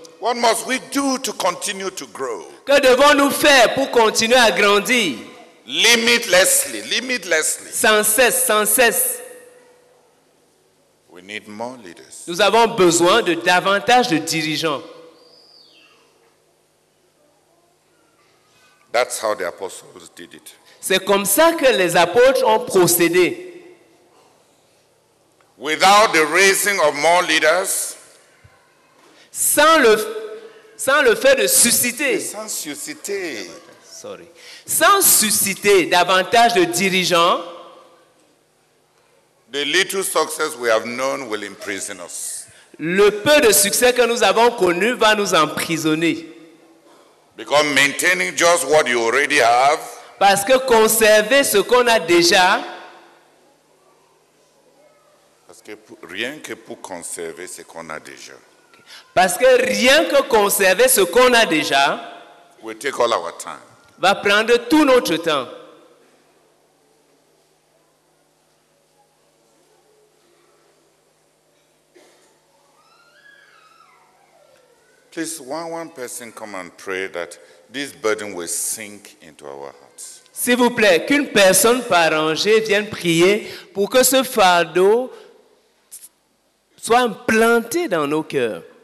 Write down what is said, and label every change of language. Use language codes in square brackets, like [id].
[en] What must we do to continue to grow? [fr] Que devons-nous faire pour continuer à grandir? [en] Limitlessly, limitlessly. [fr] Sans cesse, sans cesse. [en] We need more leaders. [fr] Nous avons besoin de davantage de dirigeants. [en] That's how the apostles did it. [fr] C'est comme ça que les apôtres ont procédé. [en] Without the raising of more leaders. [fr] Sans le fait de susciter. Sans susciter. Sorry. Sans susciter davantage de dirigeants. [en] The little success we have known will imprison us. [fr] Le peu de succès que nous avons connu va nous emprisonner. [en] Because maintaining just what you already have. [fr] Parce que conserver ce qu'on a déjà. Parce que rien que pour conserver ce qu'on a déjà. Parce que rien que conserver ce qu'on a déjà [en] we'll take all our time. [fr] Va prendre tout notre temps. [en] Please, one person come and pray that this burden will sink into our hearts. [fr] S'il vous plaît, qu'une personne par rangée vienne prier pour que ce fardeau soit implanté dans nos cœurs.